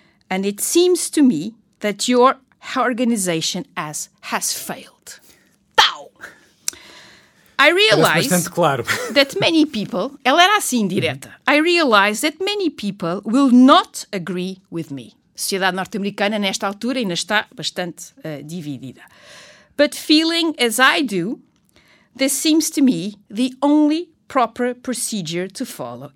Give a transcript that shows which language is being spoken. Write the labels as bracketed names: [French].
[English] And it seems to me that your organization has failed. Tau! I realize that many people... [Portuguese] Ela era assim, direta. Mm-hmm. [English] I realize that many people will not agree with me. [Portuguese] Sociedade norte-americana, nesta altura, ainda está bastante dividida. [English] But feeling as I do, this seems to me the only proper procedure to follow.